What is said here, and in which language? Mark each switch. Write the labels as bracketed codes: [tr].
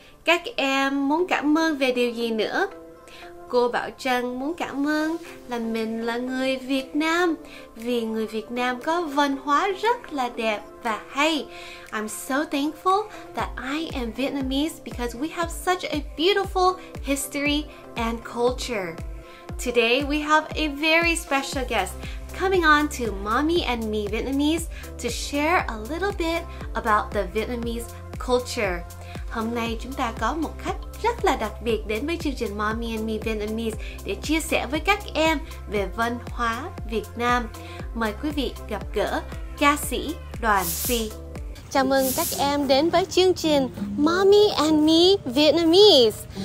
[vi] Các em muốn cảm ơn về điều gì nữa? Cô Bảo Trân muốn cảm ơn là mình là người Việt Nam vì người Việt Nam có văn hóa rất là đẹp và hay. [en] I'm so thankful that I am Vietnamese because we have such a beautiful history and culture. Today we have a very special guest coming on to Mommy and Me Vietnamese to share a little bit about the Vietnamese culture. [vi] Hôm nay chúng ta có một khách rất là đặc biệt đến với chương trình Mommy and Me Vietnamese để chia sẻ với các em về văn hóa Việt Nam. Mời quý vị gặp gỡ ca sĩ Đoàn Phi. Chào mừng các em đến với chương trình Mommy and Me Vietnamese.